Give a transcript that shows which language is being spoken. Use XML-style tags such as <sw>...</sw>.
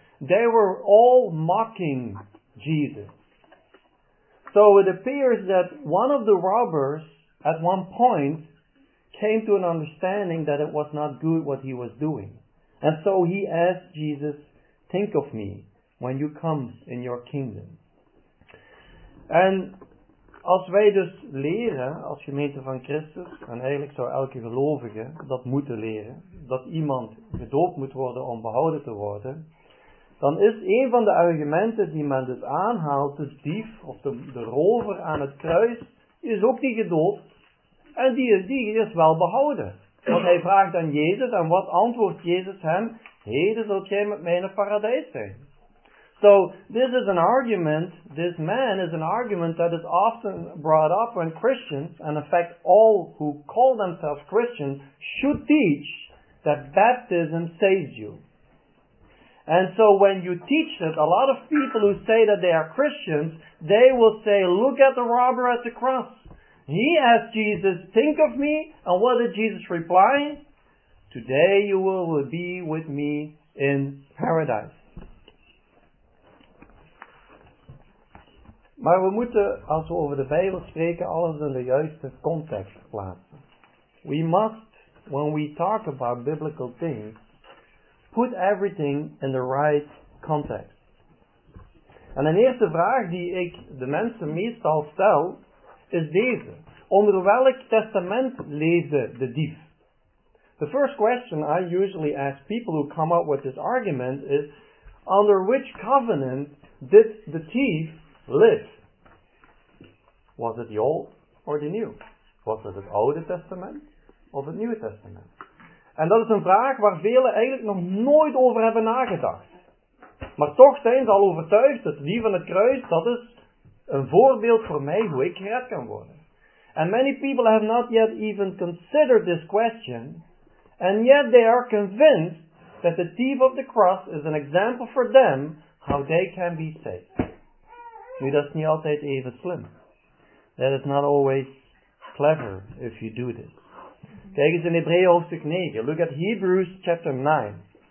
<en>They were all mocking Jesus. So it appears that one of the robbers, at one point, came to an understanding that it was not good what he was doing. And so he asked Jesus, "Think of me when you come in your kingdom."</en> <nl>And als wij dus leren, als gemeente van Christus, en eigenlijk zou elke gelovige dat moeten leren, dat iemand gedoopt moet worden om behouden te worden, dan is een van de argumenten die men dus aanhaalt, de dief of de rover aan het kruis, is ook niet gedoopt. En die is wel behouden. Want hij vraagt aan Jezus, en wat antwoordt Jezus hem? Heden zult jij met mij in het paradijs zijn.</nl> <en>So, this is an argument, this man is an argument that is often brought up when Christians, and in fact all who call themselves Christians, should teach that baptism saves you. And so when you teach that, a lot of people who say that they are Christians, they will say, look at the robber at the cross. He asked Jesus, think of me, and what did Jesus reply? Today you will be with me in paradise.</en> <nl>Maar we moeten, als we over de Bijbel spreken, alles in de juiste context plaatsen.</nl> <en>We must, when we talk about biblical things, put everything in the right context.</en> <nl>En een eerste vraag die ik de mensen meestal stel, is deze. Onder welk testament leefde de dief?</nl> <en>The first question I usually ask people who come up with this argument is, under which covenant did the thief live? Was it the Old or the New? Was it</en> <nl>het Oude Testament of het Nieuwe Testament? En dat is een vraag waar velen eigenlijk nog nooit over hebben nagedacht. Maar toch zijn ze al overtuigd dat die van het kruis, dat is een voorbeeld voor mij hoe ik gered kan worden.</nl> <en>And many people have not yet even considered this question, and yet they are convinced that the thief of the cross is an example for them how they can be saved.</en> <nl>Nu, dat is niet altijd even slim.</nl> <en>That is not always clever if you do this.</en> <nl>Kijk eens in Hebreeën hoofdstuk 9.</nl> <en>Look at Hebrews chapter 9.</en>